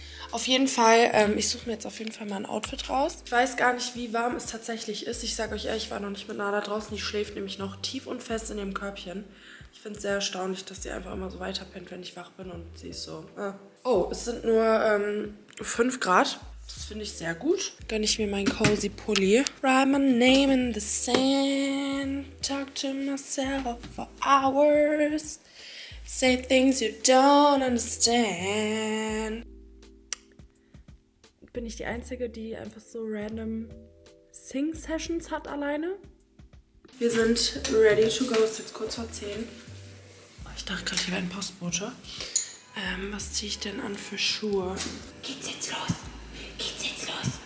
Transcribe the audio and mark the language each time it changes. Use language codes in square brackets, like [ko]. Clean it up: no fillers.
[de] Auf jeden Fall, ich suche mir jetzt auf jeden Fall mal ein Outfit raus. Ich weiß gar nicht, wie warm es tatsächlich ist. Ich sage euch ehrlich, ich war noch nicht mit Nala draußen. Die schläft nämlich noch tief und fest in ihrem Körbchen. Ich finde es sehr erstaunlich, dass sie einfach immer so weiter pennt, wenn ich wach bin und sie ist so. Oh, es sind nur 5 Grad. Das finde ich sehr gut. Gönne ich mir meinen cozy Pulli. [en] Write my name in the sand. Talk to myself for hours. Say things you don't understand. [de] Bin ich die Einzige, die einfach so random Sing-Sessions hat alleine? Wir sind [en] ready to go. [de] Es ist jetzt kurz vor 10. Ich dachte gerade, hier wäre ein Postbote. Was ziehe ich denn an für Schuhe? Geht's jetzt los? Geht's jetzt los?